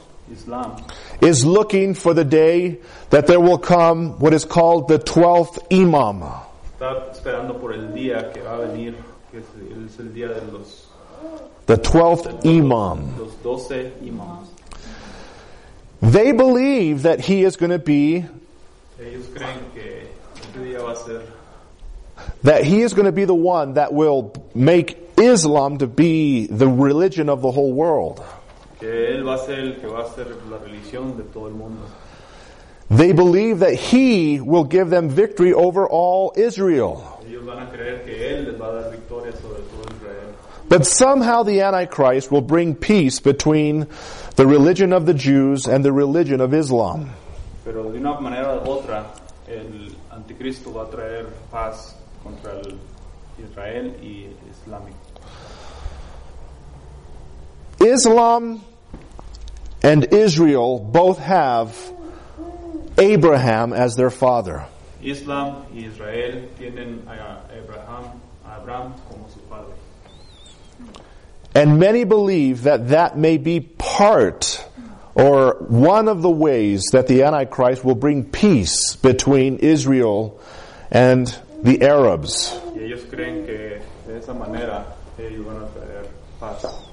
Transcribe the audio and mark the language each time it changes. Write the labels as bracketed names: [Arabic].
[English] Islam is looking for the day that there will come what is called the 12th Imam. [Spanish] Está esperando por el día que va a venir, que es el día de los... [English] The 12th Imam. [Spanish] Los 12 imams. [English] They believe that he is going to be... [Spanish] Ellos creen que este día va a ser... [English] That he is going to be the one that will make Islam to be the religion of the whole world. [Spanish] Que él va a ser el que va a ser la religión de todo el mundo. [English] They believe that he will give them victory over all Israel. [Spanish] Ellos van a creer que él les va a dar victoria sobre todo Israel. [English] But somehow the Antichrist will bring peace between the religion of the Jews and the religion of Islam. [Spanish] Pero de una manera u otra, el anticristo va a traer paz contra el Israel y el islamismo. [English] Islam and Israel both have Abraham as their father. [Spanish] Islam y Israel tienen a Abraham como su padre. [English] And many believe that that may be part or one of the ways that the Antichrist will bring peace between Israel and the Arabs. [Spanish] Y ellos creen que de esa manera ellos van a traer paz.